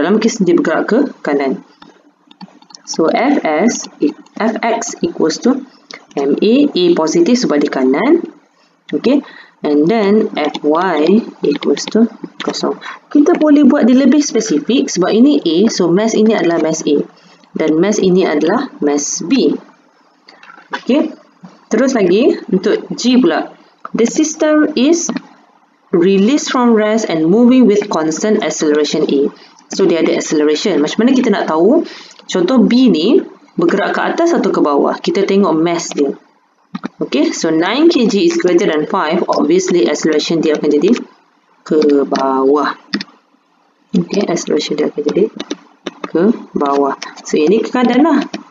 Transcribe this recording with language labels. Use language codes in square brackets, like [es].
[ms] Dalam kes dia bergerak ke kanan. So, [en] fx equals to ma, [ms] a positif sebab di kanan. [en] Okay, and then fy equals to kosong. [ms] Kita boleh buat dia lebih spesifik sebab ini a, so mass ini adalah mass a. Dan mass ini adalah mass b. Okay, terus lagi untuk g pula. [en] The system is released from rest and moving with constant acceleration a. [ms] So, dia ada acceleration. Macam mana kita nak tahu? Contoh B ni bergerak ke atas atau ke bawah. Kita tengok mass dia. Okay, so [en] 9 kg is greater than 5. [ms] Obviously, acceleration dia akan jadi ke bawah. Okay, acceleration dia akan jadi ke bawah. So, ini ke kanan lah.